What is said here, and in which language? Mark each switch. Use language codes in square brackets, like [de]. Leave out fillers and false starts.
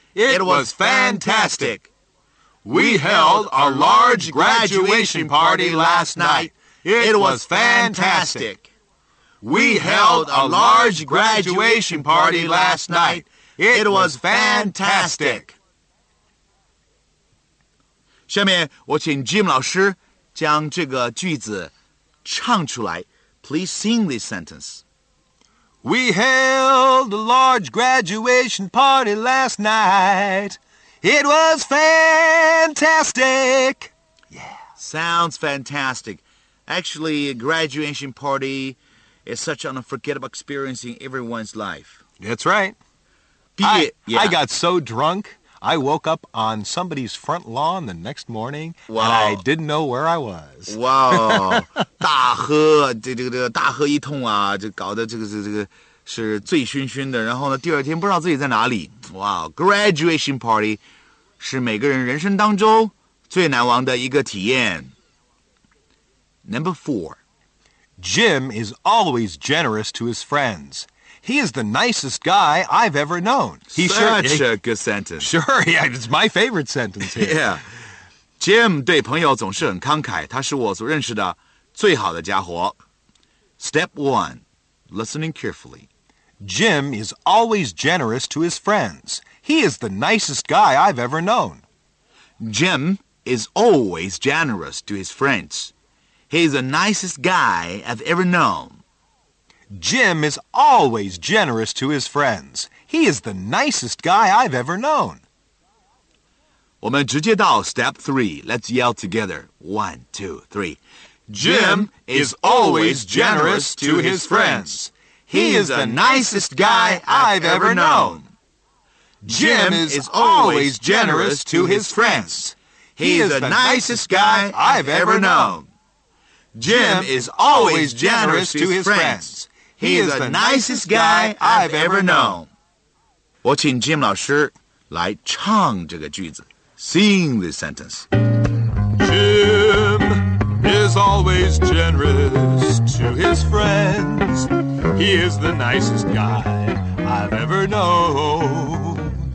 [en] It was fantastic. We held a large graduation party last night. It was fantastic. We held a large graduation party last night. It was fantastic. [zh] 下面我请 Jim 老师将这个句子唱出来。 [en] Please sing this sentence. We held a large graduation party last night. It was fantastic. Yeah. Sounds fantastic. Actually, a graduation party is such an unforgettable experience in everyone's life. That's right. I got so drunk. I woke up on somebody's front lawn the next morning, wow. And I didn't know where I was. Wow. [zh] 大喝, 大喝一通啊,就搞得这个是醉醺醺的,然后呢,第二天不知道自己在哪里。 Wow, graduation party 是每个人人生当中最难忘的一个体验。 [en] Number 4. Jim is always generous to his friends. He is the nicest guy I've ever known. Such a good sentence. Sure, yeah, it's my favorite sentence here. Yeah. [zh] Jim 对朋友总是很慷慨，他是我所认识的最好的家伙。 [en] Step 1. Listening carefully. Jim is always generous to his friends. He is the nicest guy I've ever known. Jim is always generous to his friends. He is the nicest guy I've ever known. Jim is always generous to his friends. He is the nicest guy I've ever known. [zh] 我们直接到 [en] step 3. Let's yell together. 1, 2, 3. Jim is always generous to his friends. He is the nicest guy I've ever known. Jim is always generous to his friends. He is the nicest guy I've ever known. Jim is always generous to his friends. He is the nicest guy I've ever known. [zh] 我请 Jim 老师来唱这个句子 [en] Sing this sentence. Jim is always generous to his friends. He is the nicest guy I've ever known.